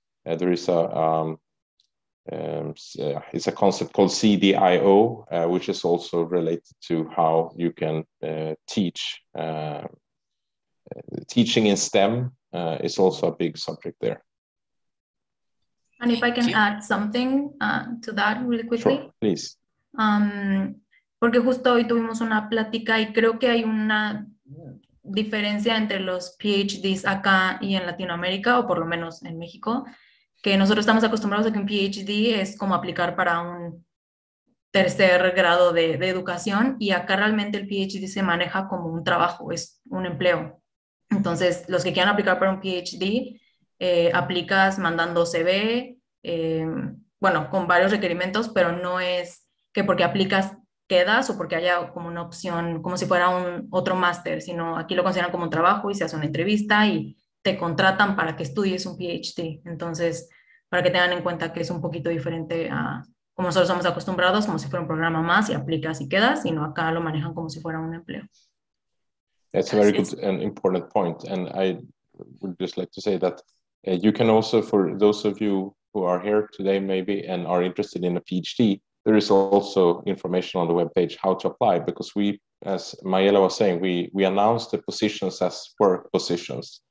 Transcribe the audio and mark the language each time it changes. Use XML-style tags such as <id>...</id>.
<en>There is it's a concept called CDIO, which is also related to how you can teach. Teaching in STEM is also a big subject there. And if I can add something to that really quickly. Sure, please.</en> <es>Porque justo hoy tuvimos una plática y creo que hay una diferencia entre los PhDs acá y en Latinoamérica, o por lo menos en México, que nosotros estamos acostumbrados a que un PhD es como aplicar para un tercer grado de educación, y acá realmente el PhD se maneja como un trabajo, es un empleo. Entonces, los que quieran aplicar para un PhD, aplicas mandando CV, con varios requerimientos, pero no es que porque aplicas quedas o porque haya como una opción, como si fuera un otro máster, sino aquí lo consideran como un trabajo y se hace una entrevista y te contratan para que estudies un PhD. Entonces, para que tengan en cuenta que es un poquito diferente a como nosotros estamos acostumbrados, como si fuera un programa más y aplicas y quedas, sino acá lo manejan como si fuera un empleo.</es> <en>That's a very good and important point. And I would just like to say that you can also, for those of you who are here today maybe and are interested in a PhD, there is also information on the webpage how to apply, because we, as Mayela was saying, we announce the positions as work positions.</en>